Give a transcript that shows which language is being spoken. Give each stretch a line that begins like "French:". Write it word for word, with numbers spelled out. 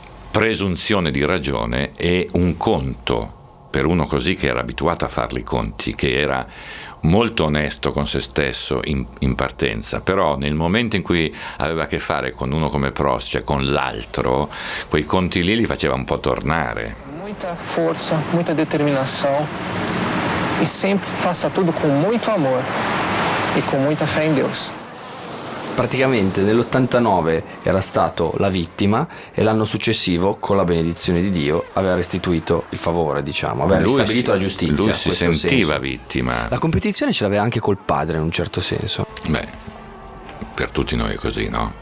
Italian: presunzione di ragione e un conto, per uno così che era abituato a farli i conti, che era molto onesto con se stesso in, in partenza, però nel momento in cui aveva a che fare con uno come Prost, cioè con l'altro, quei conti lì li faceva un po' tornare.
Portuguese: Muita força, muita determinação e sempre faça tudo com muito amor e com muita fé em Deus.
Italian: Praticamente nell'ottantanove era stato la vittima e l'anno successivo, con la benedizione di Dio, aveva restituito il favore, diciamo, aveva ristabilito la giustizia. Lui si sentiva senso. Vittima. La competizione ce l'aveva anche col padre in un certo senso. Beh, per tutti noi è così, no?